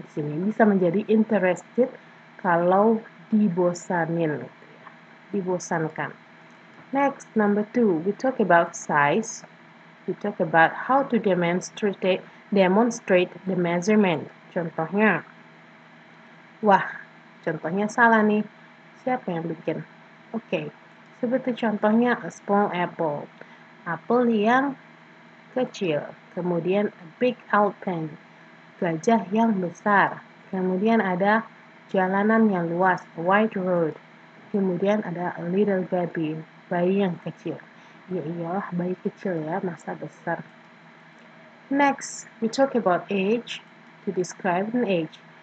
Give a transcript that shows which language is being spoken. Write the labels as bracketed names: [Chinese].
[Indonesian] Di sini bisa menjadi interested kalau dibosanin. Dibosankan. [English] Next, number two, we talk about size. We talk about how to demonstrate the measurement. [Indonesian] Contohnya, wah, contohnya salah nih. Siapa yang bikin? Okay, seperti contohnya [English] a small apple, [Indonesian] apel yang kecil. Kemudian [English] a big elephant, [Indonesian] gajah yang besar. Kemudian ada jalanan yang luas, [English] a wide road. [Indonesian] Kemudian ada [English] a little baby, [Indonesian] bayi yang kecil. Ya iyalah, bayi kecil ya, masa besar. [English] Next, we talk about age to describe an age.